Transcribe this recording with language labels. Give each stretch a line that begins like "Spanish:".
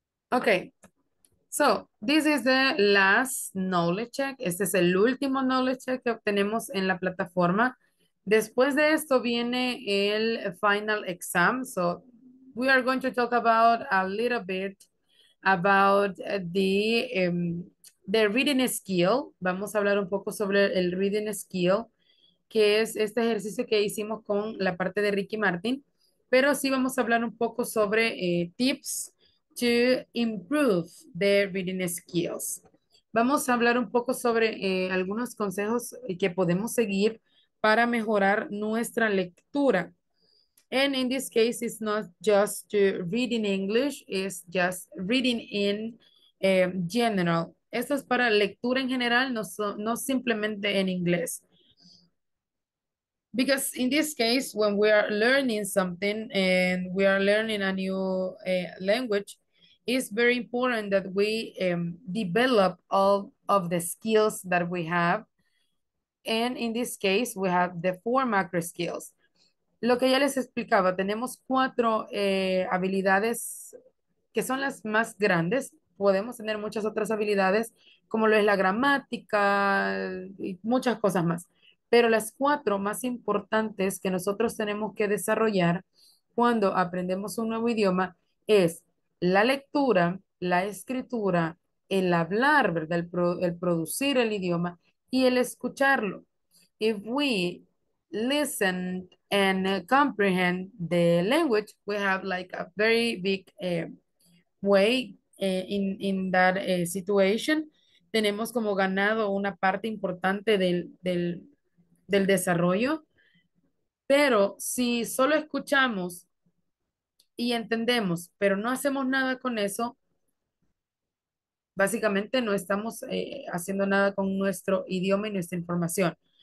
English: Ok, so this is the last knowledge check.
Spanish: Este es el último knowledge check que obtenemos en la plataforma. Después de esto viene el final exam.
English: So we are going to talk about a little bit about the reading skill.
Spanish: Vamos a hablar un poco sobre el reading skill, que es este ejercicio que hicimos con la parte de Ricky Martin. Pero sí vamos a hablar un poco sobre
English: tips to improve the reading skills.
Spanish: Vamos a hablar un poco sobre algunos consejos que podemos seguir para mejorar nuestra lectura.
English: And in this case, it's not just to read in English, it's just reading in general.
Spanish: Esto es para lectura en general, no simplemente en inglés.
English: Because in this case, when we are learning something and we are learning a new language, it's very important that we develop all of the skills that we have. And in this case, we have the four macro skills.
Spanish: Lo que ya les explicaba, tenemos cuatro habilidades que son las más grandes. Podemos tener muchas otras habilidades, como lo es la gramática y muchas cosas más. Pero las cuatro más importantes que nosotros tenemos que desarrollar cuando aprendemos un nuevo idioma es la lectura, la escritura, el hablar, ¿verdad? El producir el idioma y el escucharlo.
English: If we listen and comprehend the language, we have like a very big way in that situation.
Spanish: Tenemos como ganado una parte importante del desarrollo, pero si solo escuchamos y entendemos, pero no hacemos nada con eso, básicamente no estamos haciendo nada con nuestro idioma y nuestra información.